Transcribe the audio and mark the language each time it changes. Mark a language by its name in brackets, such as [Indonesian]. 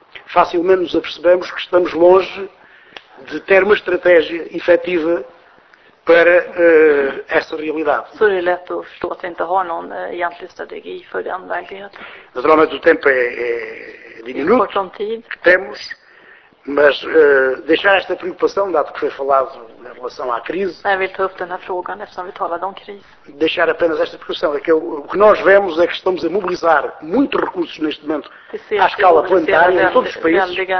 [Portuguese] Facilmente nos apercebemos que estamos longe de ter uma estratégia efetiva para essa realidade. [Swedish] Så det är lätt att förstå att vi inte har någon egentlig strategi för den verkligheten. [Portuguese] Naturalmente o tempo é diminuto que temos, mas deixar esta preocupação, dado que foi falado em relação à crise. [Swedish] Jag vill ta upp den här frågan eftersom vi talade om kris. [Portuguese] Deixar apenas esta preocupação. É que o que nós vemos é que estamos a mobilizar muitos recursos neste momento à escala planetária, em todos os países.